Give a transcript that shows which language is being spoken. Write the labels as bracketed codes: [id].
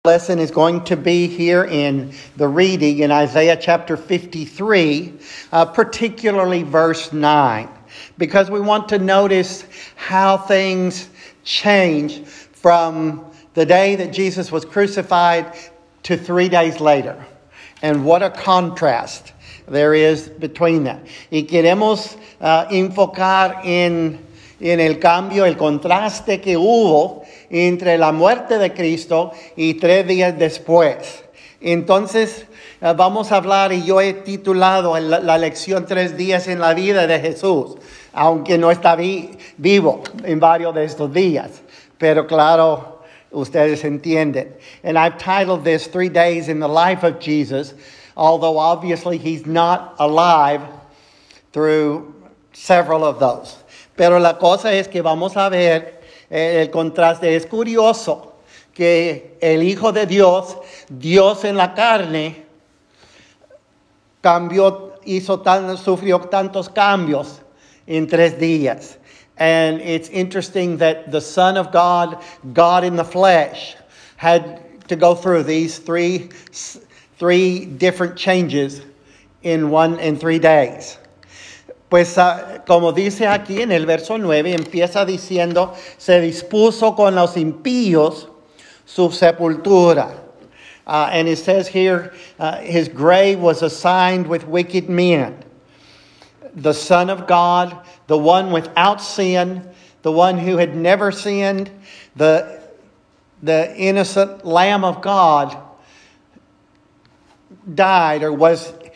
[en] Lesson is going to be here in the reading in Isaiah chapter 53, particularly verse 9, because we want to notice how things change from the day that Jesus was crucified to 3 days later, and what a contrast there is between that. [es] Y queremos enfocar en el cambio, el contraste que hubo entre la muerte de Cristo y 3 días después. Entonces, vamos a hablar, y yo he titulado la lección 3 días en la vida de Jesús, aunque no está vivo en varios de estos días. Pero claro, ustedes entienden. [en] And I've titled this 3 days in the life of Jesus, although obviously he's not alive through several of those. [es] Pero la cosa es que vamos a ver el contraste. Es curioso que el Hijo de Dios, Dios en la carne, sufrió tantos cambios en 3 días. [en] And it's interesting that the Son of God, God in the flesh, had to go through these three different changes in 3 days. [es] Pues como dice aquí en el verso 9, empieza diciendo, se dispuso con los impíos su sepultura. [en] And it says here, his grave was assigned with wicked men. The Son of God, the one without sin, the one who had never sinned, the innocent Lamb of God died or was...